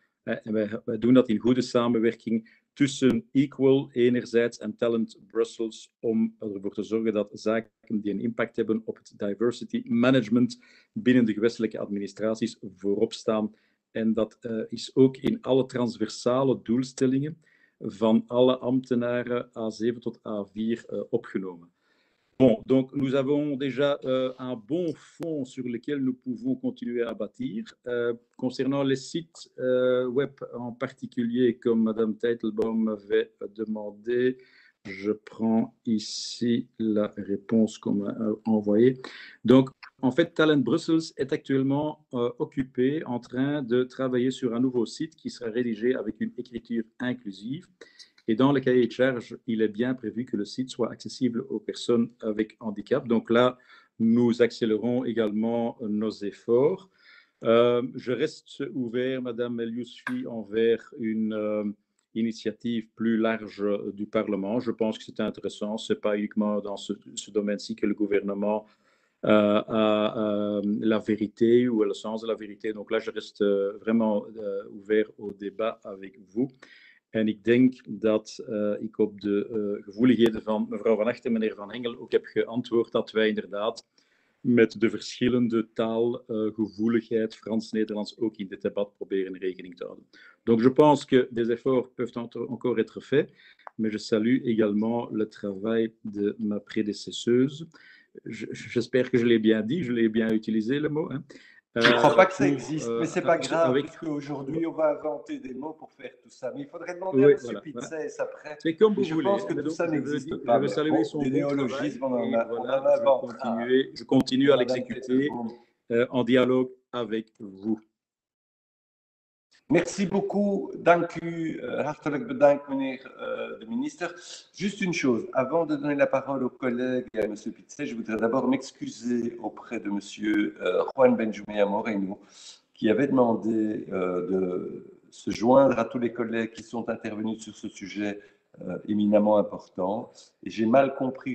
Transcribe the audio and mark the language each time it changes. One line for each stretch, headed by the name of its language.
Dutch: En wij doen dat in goede samenwerking tussen Equal enerzijds en Talent Brussels om ervoor te zorgen dat zaken die een impact hebben op het diversity management binnen de gewestelijke administraties voorop staan. En dat is ook in alle transversale doelstellingen van alle ambtenaren A7 tot A4 opgenomen.
French: Bon, donc nous avons déjà un bon fond sur lequel nous pouvons continuer à bâtir. Concernant les sites web en particulier, comme Madame Teitelbaum m'avait demandé, je prends ici la réponse qu'on m'a envoyée. Donc, en fait, Talent Brussels est actuellement occupé en train de travailler sur un nouveau site qui sera rédigé avec une écriture inclusive. Et dans le cahier de charge, il est bien prévu que le site soit accessible aux personnes avec handicap. Donc là, nous accélérons également nos efforts. Je reste ouvert, Madame Eliouzfi, envers une initiative plus large du Parlement. Je pense que c'est intéressant. Ce n'est pas uniquement dans ce domaine-ci que le gouvernement a la vérité ou le sens de la vérité. Donc là, je reste vraiment ouvert au débat avec vous.
Dutch: En ik denk dat ik op de gevoeligheden van mevrouw Van Acht en meneer Van Hengel ook heb geantwoord dat wij inderdaad met de verschillende taalgevoeligheid Frans-Nederlands ook in dit debat proberen rekening te houden.
French: Donc je pense que des efforts peuvent encore être faits, mais je salue également le travail de ma prédécesseuse. J'espère que je l'ai bien dit, je l'ai bien utilisé le mot. Hein. Je ne crois pas que ça existe, mais ce n'est pas grave, avec... parce qu'aujourd'hui, on va inventer des mots pour faire tout ça. Mais il faudrait demander à M. Voilà, Pitzès après. C'est comme vous je voulez. Pense que donc, tout ça n'existe pas. Je veux saluer son néologisme, bon on en a voilà, je continue à l'exécuter en dialogue avec vous. Merci beaucoup.
Dutch: Dank u. Hartelijk bedankt, meneer de minister.
French: Juste une chose. Avant de donner la parole aux collègues et à M. Pitzès, je voudrais d'abord m'excuser auprès de M. Juan Benjumea Moreno, qui avait demandé de se joindre à tous les collègues qui sont intervenus sur ce sujet éminemment important. Et j'ai mal compris.